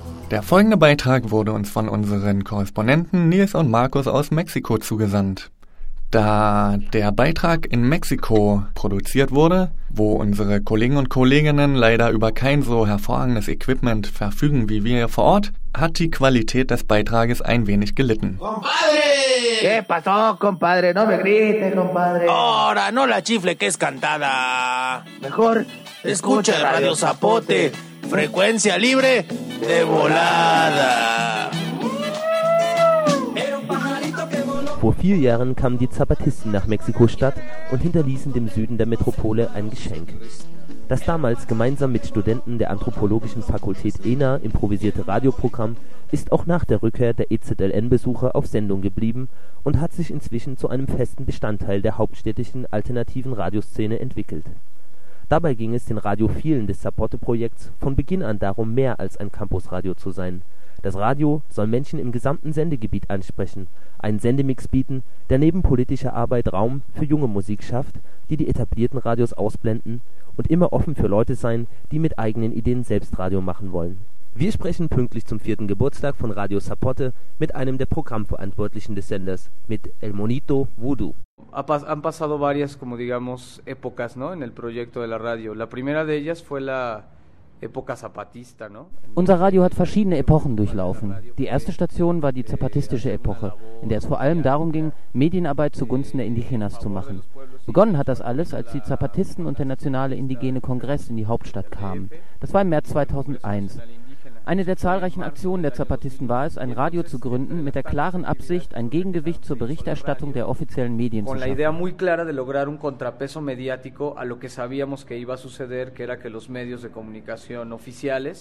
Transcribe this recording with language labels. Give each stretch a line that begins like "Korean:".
German: Der folgende Beitrag wurde uns von unseren Korrespondenten Nils und Markus aus Mexiko zugesandt. Da der Beitrag in Mexiko produziert wurde, wo unsere Kollegen und Kolleginnen leider über kein so hervorragendes Equipment verfügen wie wir hier vor Ort, hat die Qualität des Beitrages ein wenig gelitten.
Spanish: Compadre! ¿Qué pasó, compadre? No me grite, compadre. Ahora, no la chifle que es cantada. Mejor escucha Radio Zapote. Frecuencia libre de volada.
German: Vor 4 Jahren kamen die Zapatisten nach Mexiko-Stadt und hinterließen dem Süden der Metropole ein Geschenk. Das damals gemeinsam mit Studenten der Anthropologischen Fakultät ENA improvisierte Radioprogramm ist auch nach der Rückkehr der EZLN-Besucher auf Sendung geblieben und hat sich inzwischen zu einem festen Bestandteil der hauptstädtischen alternativen Radioszene entwickelt. Dabei ging es den Radiophilen des Sapote-Projekts von Beginn an darum, mehr als ein Campusradio zu sein. Das Radio soll Menschen im gesamten Sendegebiet ansprechen, einen Sendemix bieten, der neben politischer Arbeit Raum für junge Musik schafft, die etablierten Radios ausblenden, und immer offen für Leute sein, die mit eigenen Ideen selbst Radio machen wollen. Wir sprechen pünktlich zum 4. Geburtstag von Radio Sapote mit einem der Programmverantwortlichen des Senders, mit El Monito Voodoo.
Spanish: Han pasado varias, como digamos, épocas, ¿no? En el proyecto de la radio. La primera de ellas fue la época zapatista, ¿no?
German: Unser Radio hat verschiedene Epochen durchlaufen. Die erste Station war die zapatistische Epoche, in der es vor allem darum ging, Medienarbeit zugunsten der Indigenas zu machen. Begonnen hat das alles, als die Zapatisten und der Nationale Indigene Kongress in die Hauptstadt kamen. Das war im März 2001. Eine der zahlreichen Aktionen der Zapatisten war es, ein Radio zu gründen mit der klaren Absicht, ein Gegengewicht zur Berichterstattung der offiziellen Medien zu schaffen.